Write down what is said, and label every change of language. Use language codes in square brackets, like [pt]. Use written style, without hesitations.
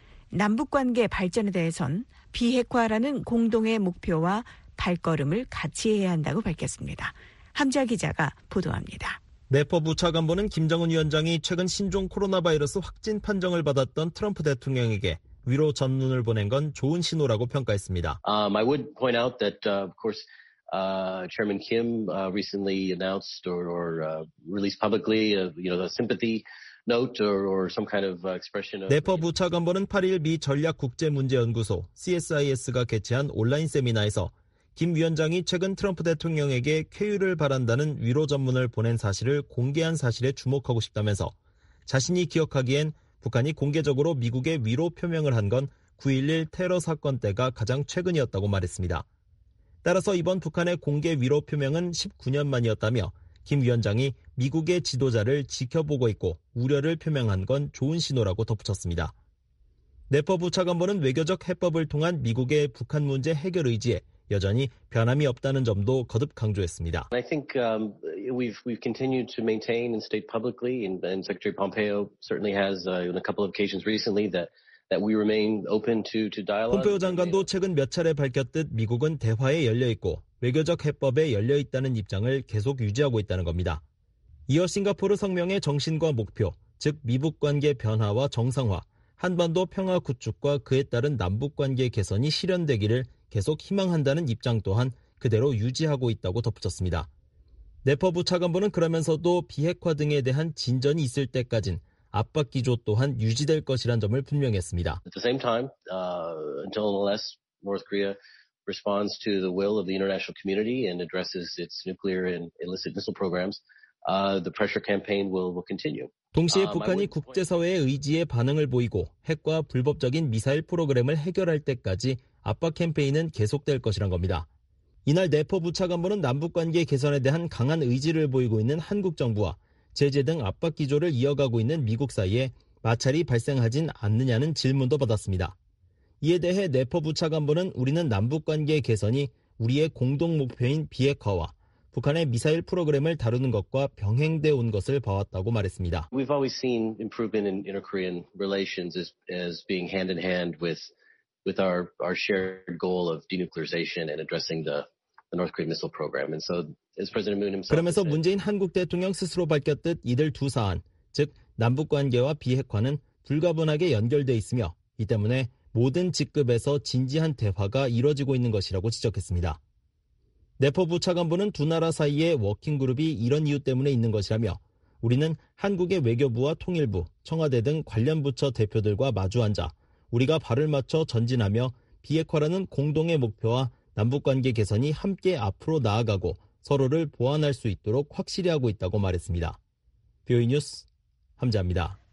[ko] 남북관계 발전에 대해선 비핵화라는 공동의 목표와 발걸음을 같이 해야 한다고 밝혔습니다. 함자 기자가 보도합니다. 네퍼 부차관보는 김정은 위원장이 최근 신종 코로나 바이러스 확진 판정을 받았던 트럼프 대통령에게 위로 전문을 보낸 건 좋은 신호라고 평가했습니다. [en] I would point out that of course Chairman Kim recently announced or released publicly you know the sympathy note or some kind of expression of [ko] 네퍼 부차관보는 8일 미 전략 국제 문제 연구소 CSIS가 개최한 온라인 세미나에서 김 위원장이 최근 트럼프 대통령에게 쾌유를 바란다는 위로 전문을 보낸 사실을 공개한 사실에 주목하고 싶다면서 자신이 기억하기엔 북한이 공개적으로 미국에 위로 표명을 한 건 9.11 테러 사건 때가 가장 최근이었다고 말했습니다. 따라서 이번 북한의 공개 위로 표명은 19년 만이었다며 김 위원장이 미국의 지도자를 지켜보고 있고 우려를 표명한 건 좋은 신호라고 덧붙였습니다. 네퍼 부차관보는 외교적 해법을 통한 미국의 북한 문제 해결 의지에 여전히 변함이 없다는 점도 거듭 강조했습니다. [en] I think we've continued to maintain and state publicly, and Secretary Pompeo certainly has on a couple of occasions recently that we remain open to dialogue. [ko] 폼페오 장관도 최근 몇 차례 밝혔듯 미국은 대화에 열려 있고 외교적 해법에 열려 있다는 입장을 계속 유지하고 있다는 겁니다. 이어 싱가포르 성명의 정신과 목표, 즉 미북 관계 변화와 정상화, 한반도 평화 구축과 그에 따른 남북 관계 개선이 실현되기를 계속 희망한다는 입장 또한 그대로 유지하고 있다고 덧붙였습니다. 네퍼 부차관보는 그러면서도 비핵화 등에 대한 진전이 있을 때까진 압박 기조 또한 유지될 것이란 점을 분명했습니다. [en] At the same time, until unless North Korea responds to the will of the international community and addresses its nuclear and illicit missile programs, the pressure campaign will continue. [ko] 동시에 북한이 국제사회의 의지에 반응을 보이고 핵과 불법적인 미사일 프로그램을 해결할 때까지 압박 캠페인은 계속될 것이란 겁니다. 이날 네퍼 부차관보는 남북관계 개선에 대한 강한 의지를 보이고 있는 한국 정부와 제재 등 압박 기조를 이어가고 있는 미국 사이에 마찰이 발생하진 않느냐는 질문도 받았습니다. 이에 대해 네퍼 부차관보는 우리는 남북관계 개선이 우리의 공동 목표인 비핵화와 북한의 미사일 프로그램을 다루는 것과 병행돼 온 것을 봐왔다고 말했습니다. [en] We've always seen improvement in inter-Korean relations as being hand in hand with our shared goal of denuclearization and addressing the North Korean missile program. And so as President Moon himself [ko] 그러면서 문재인 한국 대통령 스스로 밝혔듯 이들 두 사안, 즉 남북 관계와 비핵화는 불가분하게 연결돼 있으며 이 때문에 모든 직급에서 진지한 대화가 이뤄지고 있는 것이라고 지적했습니다. 네퍼 부차관보는 두 나라 사이의 워킹그룹이 이런 이유 때문에 있는 것이라며 우리는 한국의 외교부와 통일부, 청와대 등 관련 부처 대표들과 마주 앉아 우리가 발을 맞춰 전진하며 비핵화라는 공동의 목표와 남북관계 개선이 함께 앞으로 나아가고 서로를 보완할 수 있도록 확실히 하고 있다고 말했습니다. 뷰이 뉴스 함자입니다.